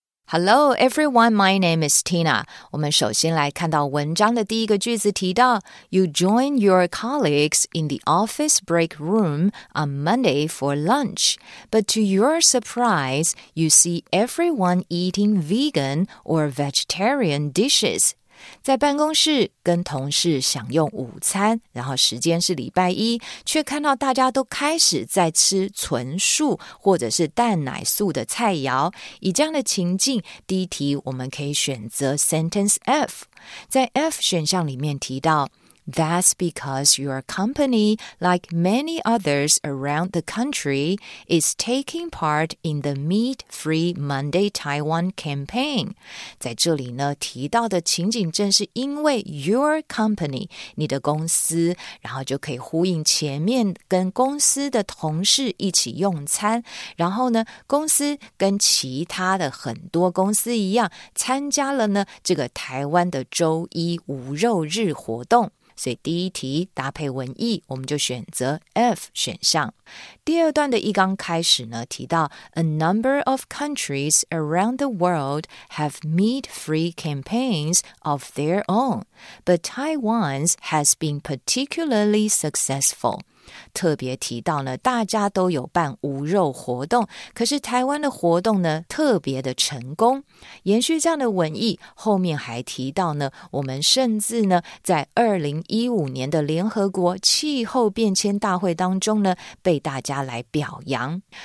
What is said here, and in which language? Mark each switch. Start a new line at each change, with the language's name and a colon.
English: Hello, everyone. My name is Tina.
Chinese: 我们首先来看到文章的第一个句子提到
English: You join your colleagues in the office break room on Monday for lunch. But to your surprise, you see everyone eating vegan or vegetarian dishes.
Chinese: 在办公室跟同事享用午餐，然后时间是礼拜一，却看到大家都开始在吃纯素或者是蛋奶素的菜肴。以这样的情境，第一题我们可以选择 sentence F。在 F 选项里面提到
English: That's because your company, like many others around the country, is taking part in the Meat Free Monday Taiwan campaign.
Chinese: 在这里呢，提到的情景正是因为
English: your company,
Chinese: 你的公司，然后就可以呼应前面跟公司的同事一起用餐，然后呢，公司跟其他的很多公司一样，参加了呢，这个台湾的周一无肉日活动。所以第一题搭配文意，我们就选择 F 选项。第二段的一刚开始呢，提到
English: A number of countries around the world have meat-free campaigns of their own, but Taiwan's has been particularly successful.
Chinese: 特别提到呢，大家都有办无肉活动，可是台湾的活动呢特别的成功。延续这样的文意，后面还提到呢，我们甚至呢在2015年的联合国气候变迁大会当中呢被大家来表扬。